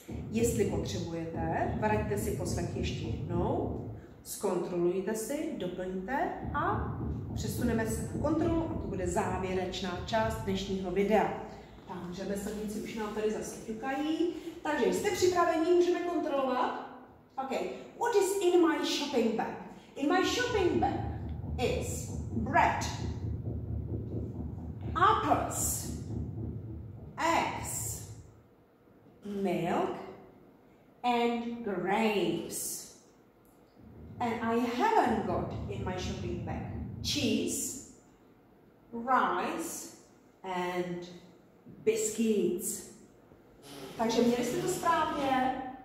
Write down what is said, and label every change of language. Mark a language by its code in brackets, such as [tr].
[cs] Jestli potřebujete, vraťte si poslech ještě jednou, zkontrolujte si, doplňte a přesuneme se na kontrolu a to bude závěrečná část dnešního videa. Takže veselníci už nám tady zase ťukají. Takže jste připraveni, můžeme kontrolovat. [en] OK. What is in my shopping bag? In my shopping bag is bread, apples, eggs, milk and grapes. And I haven't got in my shopping bag cheese, rice and biscuits. [cs] Takže měli jste to správně?